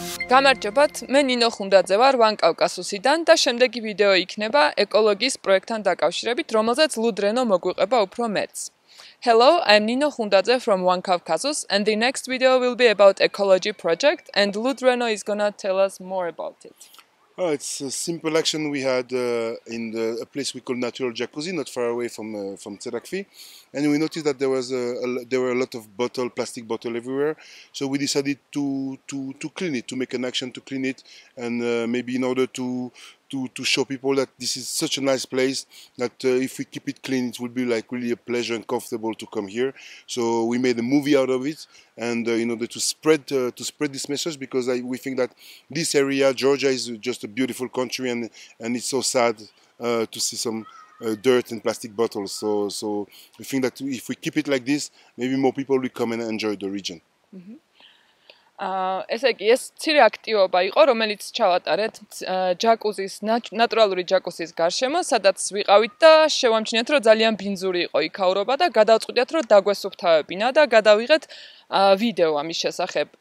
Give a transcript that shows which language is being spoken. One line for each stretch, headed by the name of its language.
Georgian: გამარჯობათ, მე ნინო ხუნდაძე ვარ ვან კავკასუსიდან და შემდეგი ვიდეო იქნება ეკოლოგიის პროექტთან დაკავშირებით, რომელზეც ლუდრენო მოგვიყვება უფრო მეც.
English: Hello, I'm Nino Hundadze from One Caucasus, and the next video will be about ecology project, and Ludreno is gonna tell us more about it. Well, it's a simple action we had in a place we call Natural Jacuzzi, not far away from Tserakvi, and we noticed that there were a lot of plastic bottles everywhere, so we decided to clean it, to make an action to clean it, and maybe in order to show people that this is such a nice place that if we keep it clean, it will be like really a pleasure and comfortable to come here. So we made a movie out of it, and in order to spread this message, because we think that this area, Georgia, is just a beautiful country, and it's so sad to see some dirt and plastic bottles. So we think that if we keep it like this, maybe more people will come and enjoy the region. Mm-hmm.
Georgian: ესე იგი, ეს ცირე აქტივობა იყო, რომელიც ჩავატარეთ ჯაკუზის, ნატურალური ჯაკუზის გარშემო, სადაც ვიყავით და შევამჩნიეთ, რომ ძალიან ბინძური იყო იქაურობა და გადავწყვიტეთ, რომ დაგვესუფთავებინა და გადავიღეთ ვიდეო ამის შესახებ.